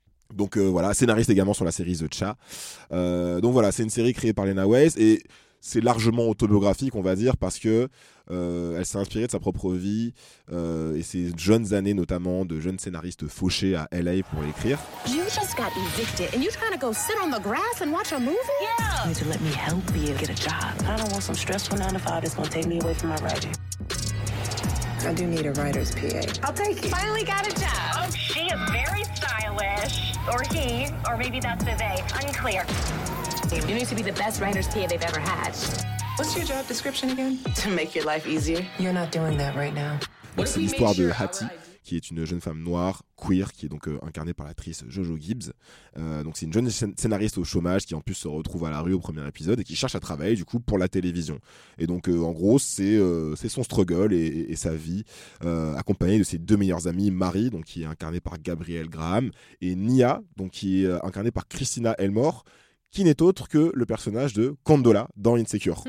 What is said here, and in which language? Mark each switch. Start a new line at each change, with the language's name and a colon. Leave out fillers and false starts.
French: Ouais. Donc voilà, scénariste également sur la série The Cha. Donc voilà, c'est une série créée par Lena Waithe et c'est largement autobiographique, on va dire, parce que elle s'est inspirée de sa propre vie et ses jeunes années, notamment de jeune scénariste fauché à LA pour écrire.
English: You just got evicted and you're trying to go sit on the grass and watch a movie? Yeah. You need to let me help you get a job. I don't want some stressful 9-to-5 that's gonna take me away from my writing. I do need a writer's PA. I'll take it. Finally got a job. Oh, she is very stylish. Or he, or maybe that's the they. Unclear. You need to be the best writer's PA they've ever had. What's your job description again? To make your life easier. You're not doing that right now.
French: Donc c'est l'histoire de Hattie, qui est une jeune femme noire, queer, qui est donc incarnée par l'actrice Jojo Gibbs. Donc c'est une jeune scénariste au chômage qui en plus se retrouve à la rue au premier épisode et qui cherche à travailler du coup pour la télévision. Et donc en gros, c'est son struggle et sa vie, accompagnée de ses deux meilleures amies, Marie, donc, qui est incarnée par Gabrielle Graham, et Nia, donc, qui est incarnée par Christina Elmore, qui n'est autre que le personnage de Condola dans Insecure.